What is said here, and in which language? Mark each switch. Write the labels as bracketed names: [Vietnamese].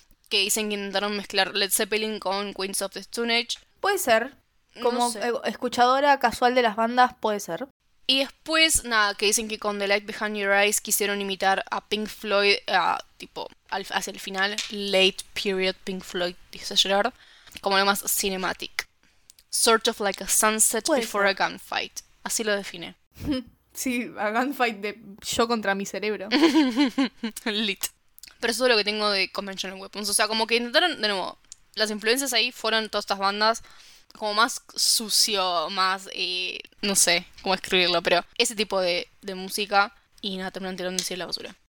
[Spanish] Que dicen que intentaron mezclar Led Zeppelin con Queens of the Stone Age. Puede ser. Como no sé. Escuchadora casual de las bandas, puede ser. Y después, nada, que dicen que con The Light Behind Your Eyes quisieron imitar a Pink Floyd, hacia el final. Late period Pink Floyd, dice Gerard. Como lo más cinematic. [English] Sort of like a sunset before a gunfight. [Spanish] Así lo define. Sí, a gunfight de yo contra mi cerebro. Lit. Pero eso es lo que tengo de Conventional Weapons. O sea, como que intentaron, de nuevo, las influencias ahí fueron todas estas bandas como más sucio, más, no sé cómo escribirlo, pero ese tipo de música, y nada, terminaron tirando en la basura.